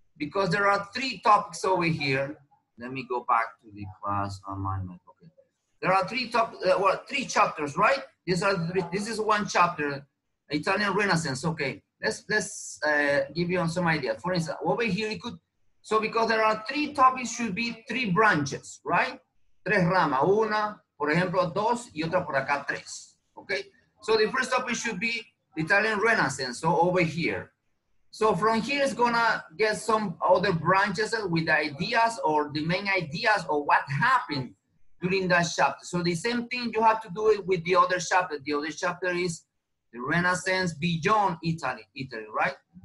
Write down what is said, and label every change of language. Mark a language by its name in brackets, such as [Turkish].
[English] Because there are three topics over here, let me go back to the class on mind map. Okay. There are three chapters, right? This is one chapter, Italian Renaissance, okay. Let's give you some idea. For instance, over here, you could, so because there are three topics, should be three branches, right? [Spanish] Tres ramas, una, por ejemplo, dos, y otra por acá, tres, okay? [English] So the first topic should be Italian Renaissance, so over here. So from here is gonna get some other branches with ideas or the main ideas of what happened during that chapter. So the same thing you have to do it with the other chapter. The other chapter is the Renaissance beyond Italy, right?